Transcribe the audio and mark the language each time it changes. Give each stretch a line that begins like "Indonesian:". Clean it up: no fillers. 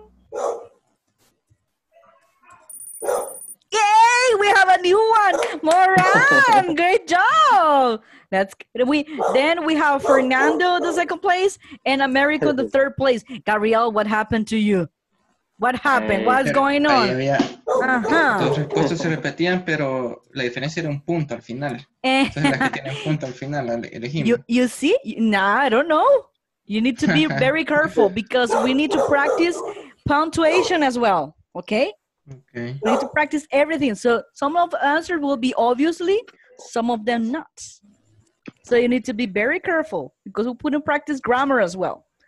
English: Yay, we have a new one, Moran, great job. That's we. Then we have Fernando the second place and America the third place. Gabriel, what happened to you? What happened? What's going on?
Spanish: Dos respuestas se repetían, pero la diferencia era un punto al final. Entonces la que tiene un punto al final la elegimos.
English: You see? Nah, I don't know. You need to be very careful because we need to practice punctuation as well. Okay? Okay. We need to practice everything. So some of the answers will be obviously, some of them not. So you need to be very careful because we put in practice grammar as well.